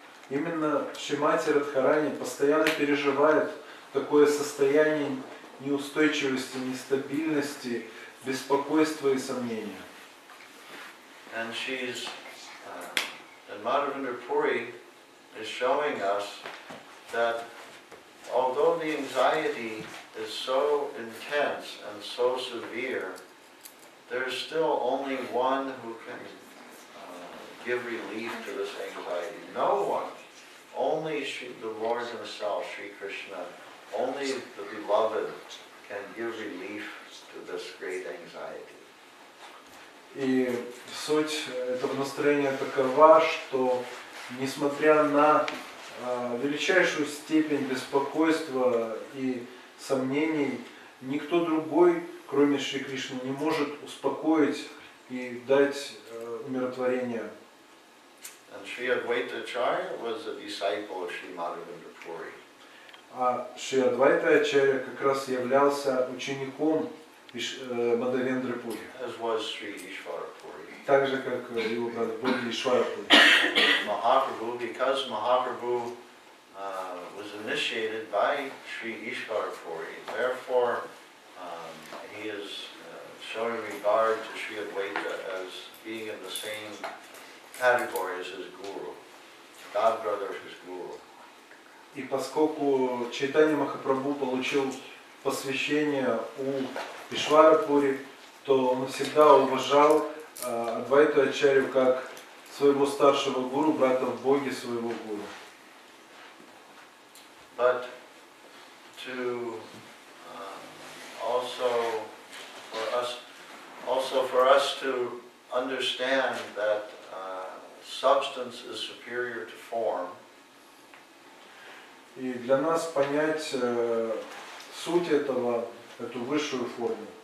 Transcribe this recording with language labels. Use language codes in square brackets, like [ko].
[ru] Именно Шримати Радхарани постоянно переживает такое состояние неустойчивости, нестабильности, беспокойства и сомнения. [en] And she's and Madhavendrapuri is showing us that although the anxiety is so intense and so severe, there's still only one who can give relief to this anxiety. No one. Only the Lord Himself, Sri Krishna. Only the beloved can give relief to this great anxiety. [ru] И суть этого настроения такова, что несмотря на величайшую степень беспокойства и сомнений, никто другой, кроме Шри Кришны, не может успокоить и дать умиротворение. [en] And Sri Advaita Acharya was a disciple of Sri Madhavendrapuri. [ru] А Шри Адвайта Ачарья как раз являлся учеником Мадхавендры Пури. [en] As was Sri Ишвара Пури. [ru] Так же, как его брат Бодхи Ишвара Пури. [en] Махапрабху, because Махапрабху was initiated by Sri Ишвара Пури, therefore he is showing regard to Sri Адвайта as being in the same category as his guru, god brother of his guru. [ru] И поскольку Чайтанья Махапрабху получил посвящение у Ишвара Пури, то он всегда уважал Адвайту Ачарью как своего старшего гуру, брата в Боге своего гуру. [en] But to also for us, to understand that substance is superior to form. [ru] И для нас понять суть этого, эту высшую форму.